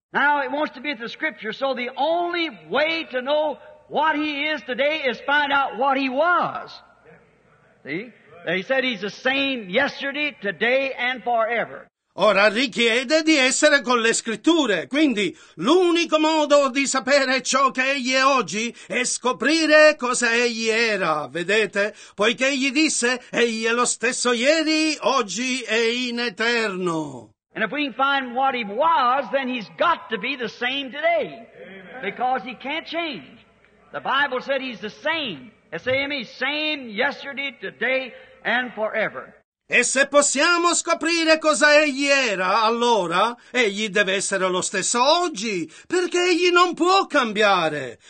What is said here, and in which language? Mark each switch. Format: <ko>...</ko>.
<en>Now it wants to be the scripture, so the only way to know what he is today is find out what he was. See? He said he's the same yesterday, today and forever.</en> <it>Ora richiede di essere con le scritture, quindi l'unico modo di sapere ciò che egli è oggi è scoprire cosa egli era, vedete? Poiché egli disse, egli è lo stesso ieri, oggi e in eterno.</it> <en>And if we can find what he was, then he's got to be the same today. Amen. Because he can't change. The Bible said he's the same. S-A-M-E, same yesterday, today, and forever.</en> <it>E se possiamo scoprire cosa egli era, allora egli deve essere lo stesso oggi, perché egli non può cambiare.</it>